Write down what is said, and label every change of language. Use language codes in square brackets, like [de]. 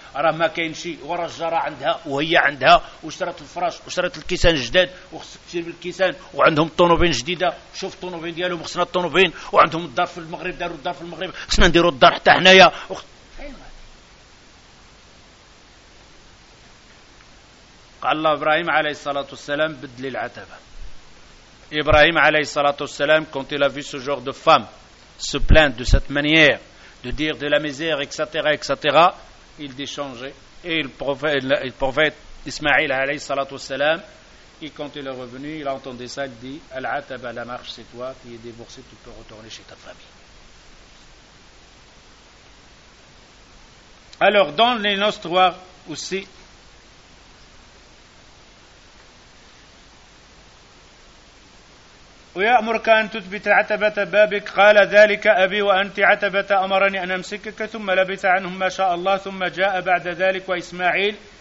[ar] راه ما كاين شي ورا الجرى عندها وهي عندها وشرات الفراش وشرات الكيسان جداد وخصك تشري الكيسان وعندهم طونوبين جديده شوف الطونوبين ديالهم خصنا الطونوبين وعندهم الدار في المغرب داروا الدار في المغرب خصنا نديروا الدار حتى حنايا قال الله إبراهيم عليه الصلاة والسلام بدل العتبة. [fr] إبراهيم عليه الصلاة والسلام quand il a vu ce genre de femme se plaindre de cette manière de dire de la misère etc. il dit changer. Et le prophète Ismaïl عليه الصلاة والسلام quand il est revenu il a entendu ça, il dit العتبة la marche c'est toi qui es divorcé, tu peux retourner chez ta famille. Alors dans les histoires aussi [ar] ويأمرك أن تثبت عتبة بابك قال ذلك أبي وأنت عتبة أمرني أن أمسكك ثم لبث عنهم ما شاء الله ثم جاء بعد ذلك وإسماعيل